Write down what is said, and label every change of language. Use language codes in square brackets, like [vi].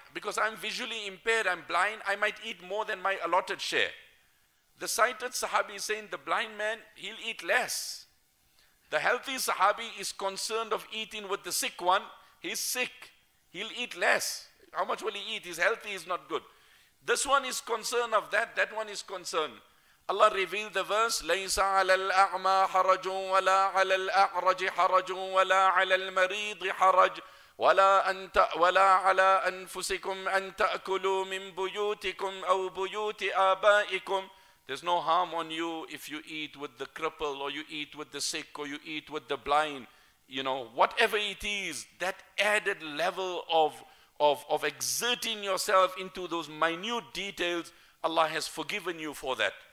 [en] Because I'm visually impaired, I'm blind, I might eat more than my allotted share. The sighted Sahabi is saying, the blind man, he'll eat less. The healthy Sahabi is concerned of eating with the sick one. He's sick. He'll eat less. How much will he eat? He's healthy. He's not good. This one is concerned of that. That one is concerned. Allah revealed the verse, [ar] لَيْسَ عَلَى الْأَعْمَى حَرَجٌ وَلَا عَلَى الْأَعْرَجِ حَرَجٌ وَلَا عَلَى الْمَرِيضِ حَرَجٌ وَلَا عَلَى أَنفُسِكُمْ أَن تَأْكُلُوا مِن بُيُوتِكُمْ أَوْ بُيُوتِ آبَائِكُمْ. [en] There's no harm on you if you eat with the cripple, or you eat with the sick, or you eat with the blind. You know, whatever it is, that added level of exerting yourself into those minute details, Allah has forgiven you for that.